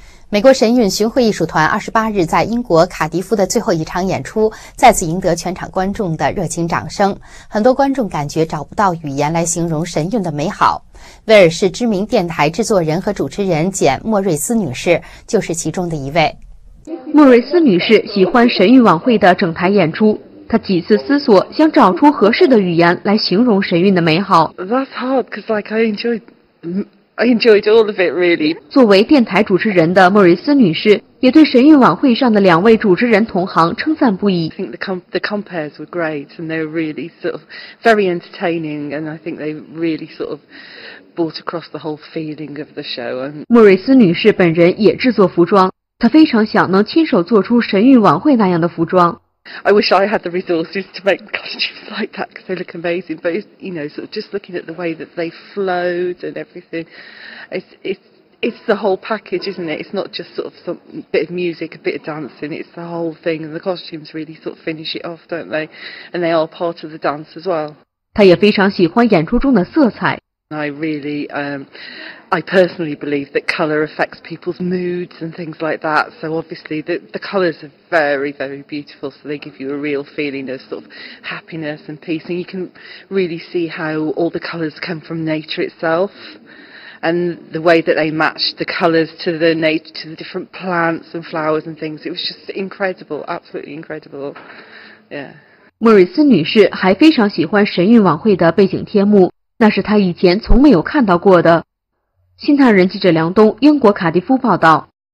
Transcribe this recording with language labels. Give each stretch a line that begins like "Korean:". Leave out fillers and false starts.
Chinese: 美国神韵巡回艺术团28日在英国卡迪夫的最后一场演出再次赢得全场观众的热情掌声，很多观众感觉找不到语言来形容神韵的美好。威尔士知名电台制作人和主持人简·莫瑞斯女士就是其中的一位。莫瑞斯女士喜欢神韵晚会的整台演出，她几次思索想找出合适的语言来形容神韵的美好。
English: That's hard because like I enjoyed all of it, really.
Chinese: 作为电台主持人的莫瑞斯女士也对神韵晚会上的两位主持人同行称赞不已。
English: I think the compares were great, and they were really sort of very entertaining, and I think they really sort of brought across the whole feeling of the show.
Chinese: 莫瑞斯女士本人也制作服装，她非常想能亲手做出神韵晚会那样的服装。
English: I wish I had the resources to make costumes like that because they look amazing. But it's, you know, sort of just looking at the way that they float and everything, it's the whole package, isn't it? It's not just sort of some bit of music, a bit of dancing. It's the whole thing, and the costumes really sort of finish it off, don't they? And they are part of the dance as well.
Chinese: 他也非常喜欢演出中的色彩。
English: I personally believe that color affects people's moods and things like that. So obviously the colors are very, very beautiful. So they give you a real feeling of sort of happiness and peace. And you can really see how all the colors come from nature itself. And the way that they match the colors to the nature, to the different plants and flowers and things. It was just incredible, absolutely incredible. Yeah.
Chinese: 莫瑞斯女士还非常喜欢神韵晚会的背景天幕，那是她以前从没有看到过的。新唐人记者梁东，英国卡迪夫报道。